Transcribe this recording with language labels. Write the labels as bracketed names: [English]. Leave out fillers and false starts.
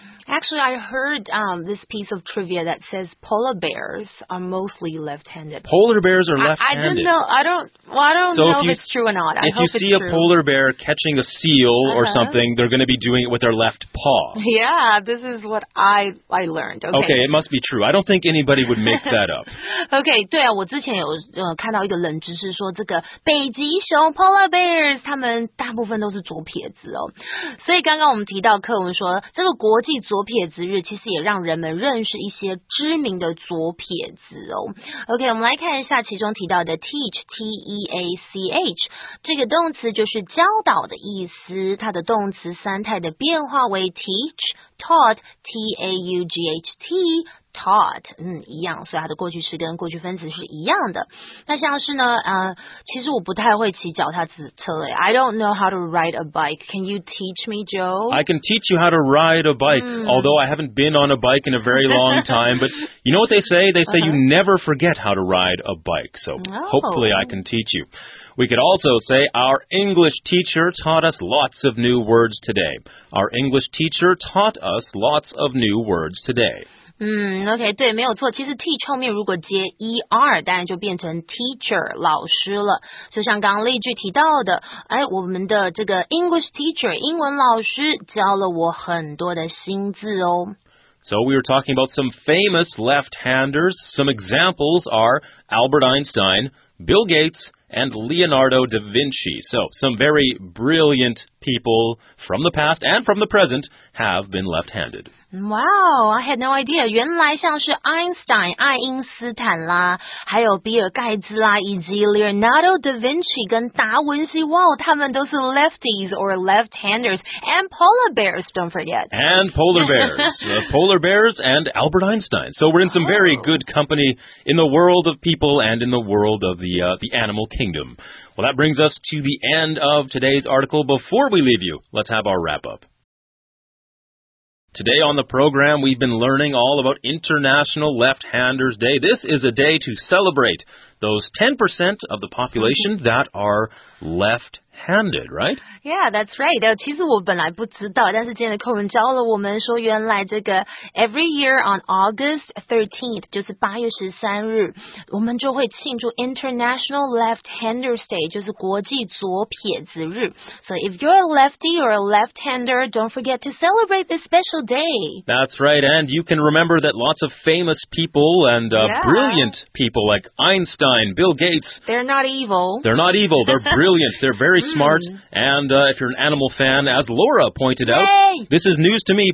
[English] Actually, I heard this piece of trivia that says polar bears are mostly left-handed. Polar bears are left-handed. I didn't know. I don't know if it's true or not. If you see a polar bear catching a seal or something, they're going to be doing it with their left paw. Yeah, this is what I learned. Okay. Okay, it must be true. I don't think anybody would make that up. [Chinese] Okay, 对啊，我之前有看到一个冷知识说这个北极熊 polar bears 他们大部分都是左撇子哦。所以刚刚我们提到课文说这个国际左撇子日其实也让人们认识一些知名的左撇子哦。 OK, 我们来看一下其中提到的 teach, T-E-A-C-H, 这个动词就是教导的意思，它的动词三态的变化为 teach, taught, T-A-U-G-H-T, taught, 一样，所以它的过去式跟过去分词是一样的。那像是呢，其实我不太会骑脚踏车嘞。 [English] I don't know how to ride a bike. Can you teach me, Joe? I can teach you how to ride a bike, although I haven't been on a bike in a very long time. But you know what they say? They say you never forget how to ride a bike. So hopefully I can teach you. We could also say our English teacher taught us lots of new words today. Our English teacher taught us lots of new words today. [Chinese] OK, 对，没有错。其实 teach 后面如果接 er, 当然就变成 teacher, 老师了。就像刚刚例句提到的，哎，我们的这个 English teacher, 英文老师教了我很多的新字哦。 [English] So we were talking about some famous left-handers. Some examples are Albert Einstein, Bill Gates, and Leonardo da Vinci. So some very brilliant people from the past and from the present have been left-handed. Wow, I had no idea. [Chinese] 原来像是 Einstein, 爱因斯坦啦，还有比尔盖茨啦，以及 Leonardo da Vinci 跟达文西，哇，他们都是 [English] lefties or left-handers. And polar bears, don't forget. And polar bears. polar bears and Albert Einstein. So we're in some very good company in the world of people and in the world of the animal kingdom. Well, that brings us to the end of today's article. Before we leave you, let's have our wrap-up. Today on the program, we've been learning all about International Left-Handers Day. This is a day to celebrate those 10% of the population that are left-handed, right? Yeah, that's right. [Chinese] 其实我本来不知道，但是今天的课文教了我们说原来这个 [English] every year on August 13th, [Chinese] 就是8月13日，我们就会庆祝 International Left-Handers Day, 就是国际左撇子日。 [English] So if you're a lefty or a left-hander, don't forget to celebrate this special day. That's right, and you can remember that lots of famous people and brilliant people like Einstein, Bill Gates. They're not evil. They're not evil. They're brilliant. They're very smart. And if you're an animal fan, as Laura pointed out, this is news to me.